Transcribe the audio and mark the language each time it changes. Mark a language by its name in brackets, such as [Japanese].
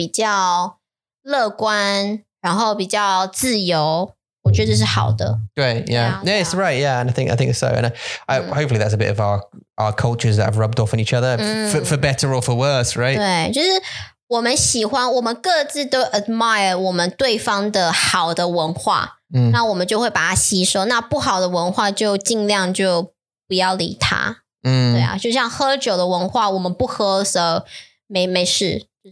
[Chinese] 我觉得这是我的想法有变得比较乐观, 然后比较自由。我觉得这是好的。对, [English] yeah. Yeah, it's right, yeah. And I think so. And hopefully that's a bit of our cultures that have rubbed off on each other, for better or for worse, right? [Chinese] 对,就是我们喜欢,我们各自都 admire我们对方的好的文化, 那我们就会把它吸收,那不好的文化就尽量就不要理它。对啊,就像喝酒的文化, 我们不喝, so 没事。